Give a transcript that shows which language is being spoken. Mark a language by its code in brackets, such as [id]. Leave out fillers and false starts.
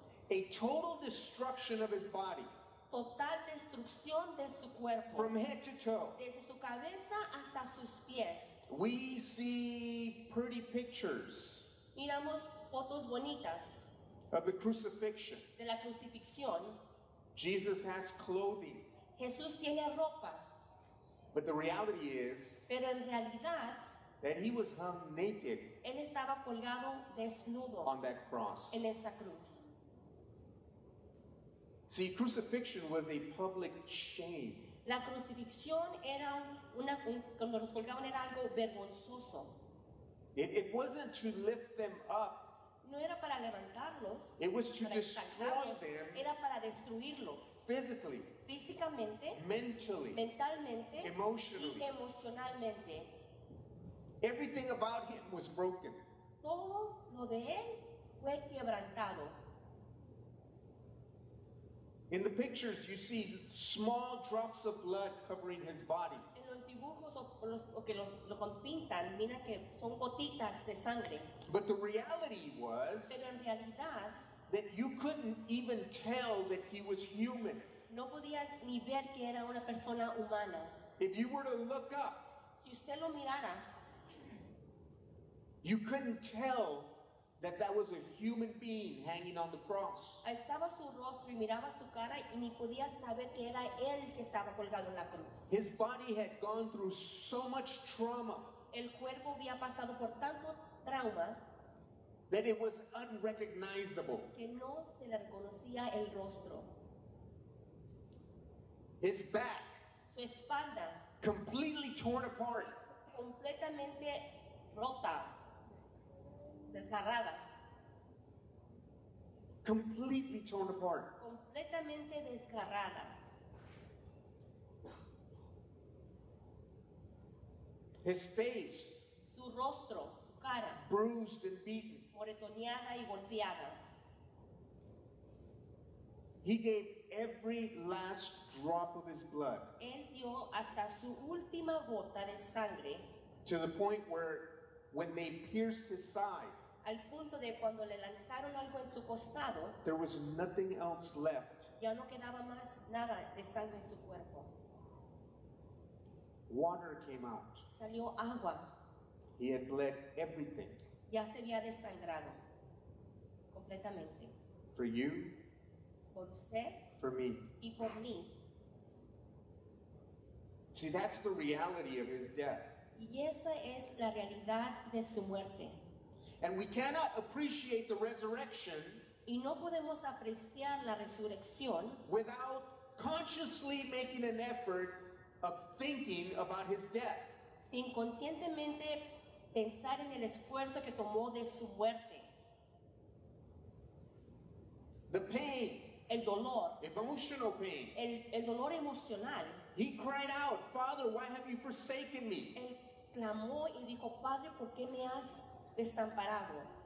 [en] A total destruction of his body. [es] Total destrucción de su cuerpo. [en] From head to toe. [es] Desde su cabeza hasta sus pies. [en] We see pretty pictures. [es] Miramos fotos bonitas. [en] Of the crucifixion. [es] De la crucifixión. [en] Jesus has clothing. [es] Jesús tiene ropa. [en] But the reality is, [es] pero en realidad, [en] that he was hung naked, [es] él estaba colgado desnudo, [en] on that cross, [es] en esa cruz. [en] See, crucifixion was a public shame. [es] La crucifixión era cuando los colgaban era algo vergonzoso. [en] It wasn't to lift them up. [es] No era para levantarlos. [en] It was to destroy them. [es] Era para destruirlos. [en] Physically. [es] Físicamente. [en] Mentally. [es] Mentalmente. [en] Emotionally. [es] Y emocionalmente. [en] Everything about him was broken. [es] Todo lo de él fue quebrantado. [en] In the pictures, you see small drops of blood covering his body. [es] En los dibujos o que lo pintan, mira que son gotitas de sangre. [en] But the reality was, [es] pero en realidad, [en] that you couldn't even tell that he was human. [es] No podías ni ver que era una persona humana. [en] If you were to look up, [es] si usted lo mirara, [en] you couldn't tell that was a human being hanging on the cross. [es] Alzaba su rostro y miraba su cara y ni podía saber que era él que estaba colgado en la cruz. [en] His body had gone through so much trauma. [es] El cuerpo había pasado por tanto trauma [en] that it was unrecognizable. [es] Que no se le reconocía el rostro. [en] His back, [es] su espalda, [en] completely torn apart, [es] completamente rota, desgarrada, [en] completely torn apart, [es] completamente desgarrada. [en] His face, [es] su rostro, su cara, [en] bruised and beaten, [es] moretoneada y golpeada. [en] He gave every last drop of his blood. [es] Él dio hasta su última gota de sangre. [en] To the point where, when they pierced his side, [es] al punto de cuando le lanzaron algo en su costado, [en] there was nothing else left. [es] Ya no quedaba más nada de sangre en su cuerpo. [en] Water came out. [es] Salió agua. [en] He had bled everything. [es] Ya se había desangrado completamente. [en] For you. [es] Por usted. [en] For me. [es] Y por mí. [en] See, that's the reality of his death. [es] Y esa es la realidad de su muerte. [en] And we cannot appreciate the resurrection, [es] y no podemos apreciar la resurrección, [en] without consciously making an effort of thinking about his death, [es] sin conscientemente pensar en el esfuerzo que tomó de su muerte. [en] The pain, [es] el dolor, [en] emotional pain, [es] el dolor emocional. [en] He cried out, "Father, why have you forsaken me?" [es] Él clamó y dijo, "Padre, ¿por qué me has desamparado?"